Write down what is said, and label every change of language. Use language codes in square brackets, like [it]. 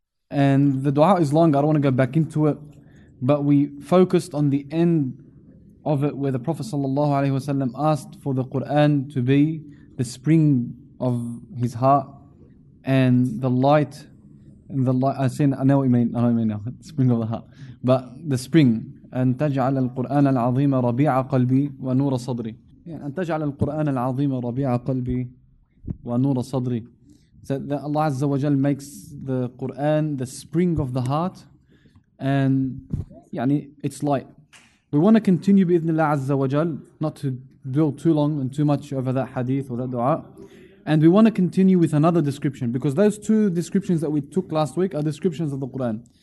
[en] And the dua is long, I don't want to go back into it, but we focused on the end of it where the Prophet sallallahu alaihi wasallam asked for the Quran to be the spring of his heart and the light, and the light. I know what you mean now. Spring of the heart, but the spring. [ar] أن تجعل القرآن العظيم ربيع قلبي ونور صدري. أن تجعل القرآن العظيم ربيع قلبي ونور صدري. [en] So that Allah Azza wa Jal makes the Quran the spring of the heart, and يعني its light. We want to continue [ar] بإذن الله عز وجل, [en] not to dwell too long and too much over that hadith or that dua. And we want to continue with another description, because those two descriptions that we took last week are descriptions of the Quran.